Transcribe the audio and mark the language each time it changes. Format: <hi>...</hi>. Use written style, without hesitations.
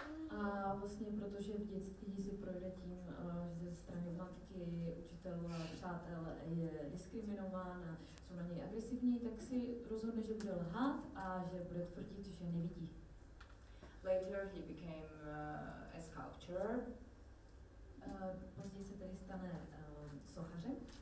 <cs>A vlastně protože v dětství si projde tím, že ze strany matky, učitel, přátel je diskriminován a jsou na něj agresivní, tak si rozhodne, že bude lhát a že bude tvrdit, že nevidí.</cs> <en>Later he became a sculptor.</en> <cs>Později se tedy stane sochařem.</cs>